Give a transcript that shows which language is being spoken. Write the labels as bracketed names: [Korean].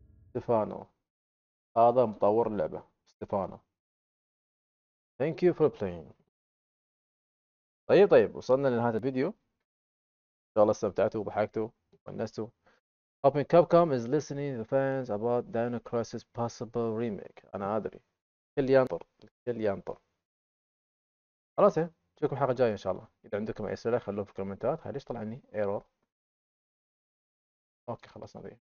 [Arabic] ستيفانو هذا مطور اللعبة. [English] Stefano Thank you for playing. [Arabic] طيب وصلنا لنهاية الفيديو. إن شاء الله استمتعتوا وضحكتوا وانستوا. [English] Open Capcom is listening to the fans about Dino Crisis possible remake. [Arabic] أنا أدري. الكل ينطر. الكل ينطر. خلاص إيه. نشوفكم الحلقة الجاية إن شاء الله. إذا عندكم أي أسئلة خلوها في الكومنتات. هاي ليش طلعني إيرور؟ أوكي خلصنا ذي.